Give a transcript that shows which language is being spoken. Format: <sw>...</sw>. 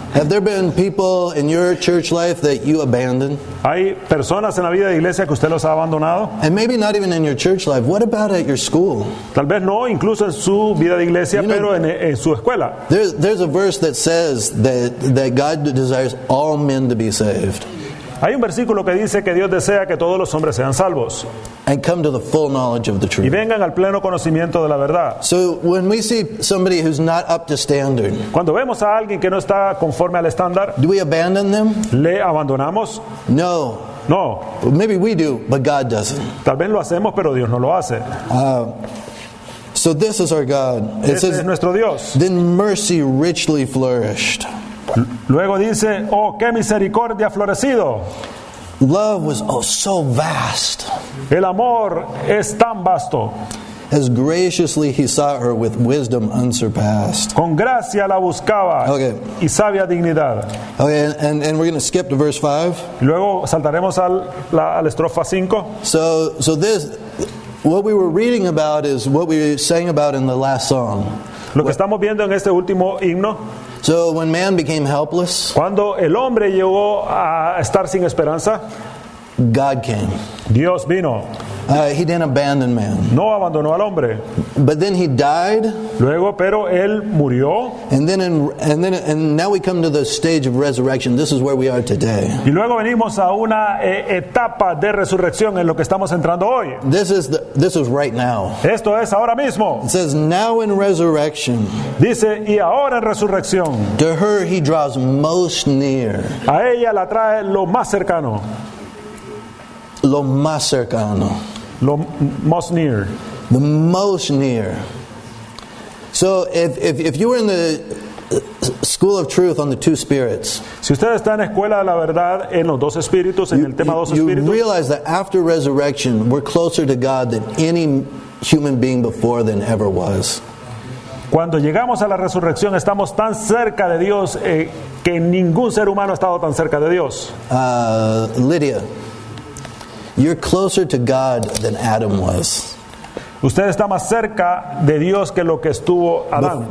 <en>Have there been people in your church life that you abandoned?</en> <es>¿Hay personas en la vida de iglesia que usted los ha abandonado?</es> <en>And maybe not even in your church life. What about at your school?</en> <es>Tal vez no, incluso en su vida de iglesia,</es> <en>you</en> <es>pero</es> <en>know,</en> <es>en su escuela.</es> <en>There's a verse that says that God desires all men to be saved.</en> <es>Hay un versículo que dice que Dios desea que todos los hombres sean salvos.</es> <en>And come to the full knowledge of the truth.</en> <es>Y vengan al pleno conocimiento de la verdad.</es> <en>So when we see somebody who's not up to standard,</en> <es>cuando vemos a alguien que no está conforme al estándar,</es> <en>do we abandon them?</en> <es>¿Le abandonamos?</es> <en>No.</en> <es>No.</es> <en>Maybe we do, but God doesn't.</en> <es>Tal vez lo hacemos, pero Dios no lo hace.</es> <en>So this is our God. It says,</en> <es>es nuestro Dios.</es> <en>Then mercy richly flourished.</en> <es>Luego dice, oh, qué misericordia florecido.</es> <en>Love was oh so vast.</en> <es>El amor es tan vasto.</es> <en>As graciously he sought her with wisdom unsurpassed.</en> <es>Con gracia la buscaba.</es> <en>Okay.</en> <es>Y sabia dignidad.</es> <en>Okay, and we're going to skip to verse 5.</en> <es>Luego saltaremos a la estrofa 5.</es> <en>So this, what we were reading about is what we sang about in the last song.</en> <es>Lo que estamos viendo en este último himno.</es> <en>So when man became helpless,</en> <es>cuando el hombre llegó a estar sin esperanza,</es> <en>God came.</en> <es>Dios vino.</es> <en>He didn't abandon man.</en> <es>No abandonó al hombre.</es> <en>But then he died.</en> <es>Luego, pero él murió.</es> <en>And now we come to the stage of resurrection. This is where we are today.</en> <es>Y luego venimos a una etapa de resurrección en lo que estamos entrando hoy.</es> <en>This is right now.</en> <es>Esto es ahora mismo.</es> <en>It says now in resurrection.</en> <es>Dice y ahora en resurrección.</es> <en>To her he draws most near.</en> <es>A ella la trae lo más cercano. Lo más cercano. Lo más near.</es> <en>The most near. So if you were in the school of truth on the two spirits.</en> <es>Si usted está en escuela de la verdad en los dos espíritus, en el tema dos</es> <en>you</en> <es>espíritus.</es> <en>You realize that after resurrection, we're closer to God than any human being before than ever was.</en> <es>Cuando llegamos a la resurrección, estamos tan cerca de Dios que ningún ser humano ha estado tan cerca de Dios.</es> <en>Lydia. You're closer to God than Adam was.</en> <es>Usted está más cerca de Dios que lo que estuvo Adán.</es>